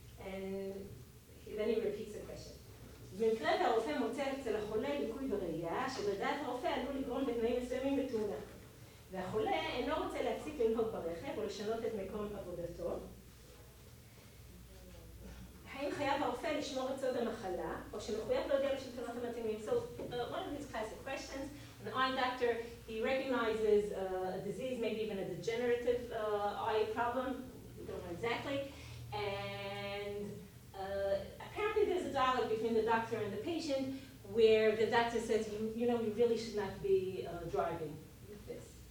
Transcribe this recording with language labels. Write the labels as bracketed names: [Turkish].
[English] And then he repeats the question. [Hebrew] במקרה והרופא מוצא אצל החולה ליקוי בראייה, שלדעת הרופא עלול לגרום בתנאים מסוימים לתאונה. והחולה אינו רוצה להפסיק לנהוג ברכב או לשנות את מקום עבודתו. האם חייב הרופא לשמור את סוד המחלה, או שמחויב להודיע לשלטונות המתאימים? [English] So, one of these classic questions, an eye doctor, he recognizes a disease, maybe even a degenerative eye problem, we don't know exactly. And apparently there's a dialogue between the doctor and the patient where the doctor says, you really should not be driving this.